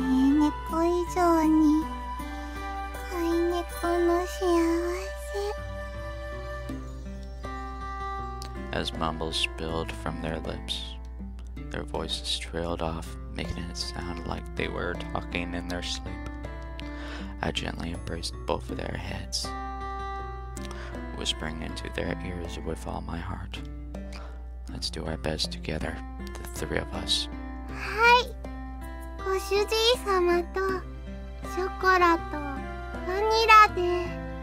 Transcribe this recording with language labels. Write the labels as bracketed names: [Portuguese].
[Japanese] 飼い猫以上に飼い猫の幸せ。 [English] As mumbles spilled from their lips, their voices trailed off, making it sound like they were talking in their sleep. I gently embraced both of their heads, whispering into their ears with all my heart. Let's do our best together, the three of us. [Japanese] はい。ご主人様とショコラとバニラで、